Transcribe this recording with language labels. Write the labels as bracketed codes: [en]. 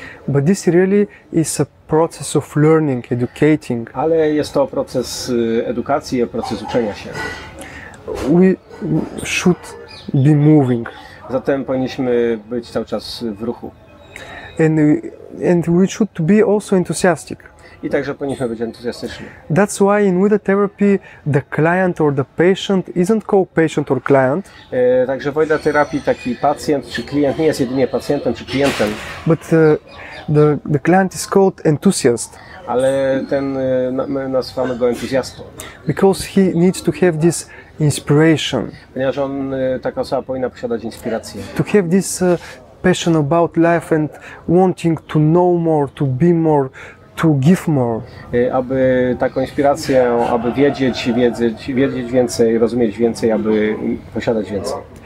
[en] But this really is a process of learning, educating. [pl] Ale jest to proces edukacji, proces uczenia się. [en] We should be moving. [pl] Zatem powinniśmy być cały czas w ruchu. [en] And we should be also enthusiastic. [pl] I także powinniśmy być entuzjastyczni. [en] That's why in Wooda therapy the client or the patient isn't called patient or client. [pl] Także w Wooda terapii taki pacjent czy klient nie jest jedynie pacjentem czy klientem. [en] But the client is called enthusiast. [pl] Ale ten my nazywamy go entuzjastą. [en] Because he needs to have this inspiration. [pl] Ponieważ on taka osoba powinna posiadać inspirację. [en] To have this passion about life and wanting to know more, to be more, to give more. [pl] Aby taką inspirację, aby wiedzieć więcej, rozumieć więcej, aby posiadać więcej.